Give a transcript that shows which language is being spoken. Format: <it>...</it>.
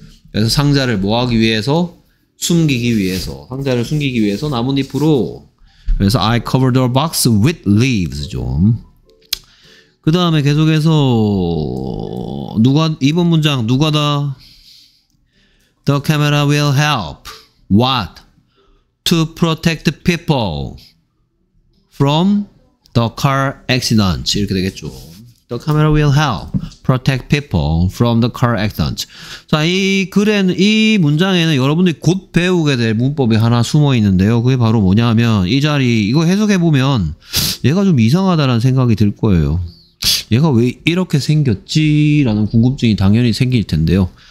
<ko>그래서 상자를 뭐하기 위해서? 숨기기 위해서. 상자를 숨기기 위해서 나뭇잎으로. 그래서</ko> <en>I covered the box with leaves.</en> <ko>좀. 그 다음에 계속해서 누가 이번 문장 누가 다?</ko> <en>The camera will help. What? To protect people from the car accident.</en> <ko>이렇게 되겠죠.</ko> <en>The camera will help protect people from the car accident.</en> <ko>자, 이 글에는, 이 문장에는 여러분들이 곧 배우게 될 문법이 하나 숨어 있는데요. 그게 바로 뭐냐면, 이 자리, 이거 해석해보면, 얘가 좀 이상하다라는 생각이 들 거예요. 얘가 왜 이렇게 생겼지라는 궁금증이 당연히 생길 텐데요.</ko>